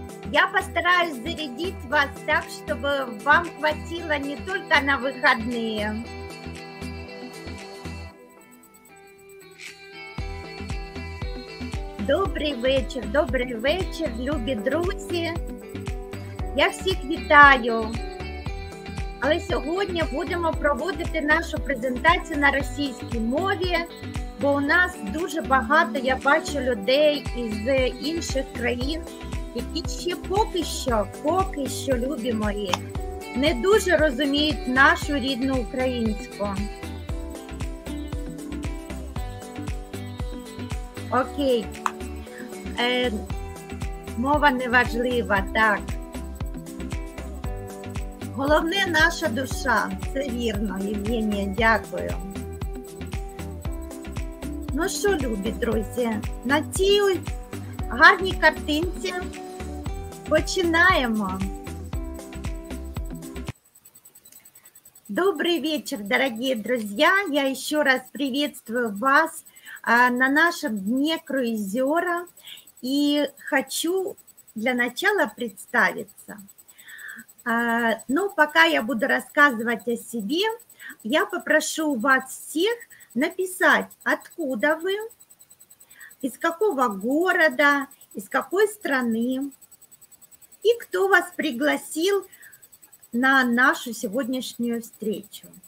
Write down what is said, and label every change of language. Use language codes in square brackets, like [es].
[ru] Я постараюсь зарядить вас так, чтобы вам хватило не только на выходные. Добрый вечер, любые друзья. [uk] Я всех вітаю. Але сьогодні будемо проводити нашу презентацію на російській мові, бо у нас дуже багато, я бачу, людей із інших країн, які ще поки що, любі мої, не дуже розуміють нашу рідну українську. Окей, мова не важлива, так. Головне – наша душа. Це вірно, Євгенія, дякую. Ну що, любі друзі, на цій гарній картинці починаємо. Добрий вечір, дорогі друзі. Я ще раз привітаю вас на нашому дні круїзера. І хочу для початку представитися. [ru] Но пока я буду рассказывать о себе, я попрошу вас всех написать, откуда вы, из какого города, из какой страны и кто вас пригласил на нашу сегодняшнюю встречу.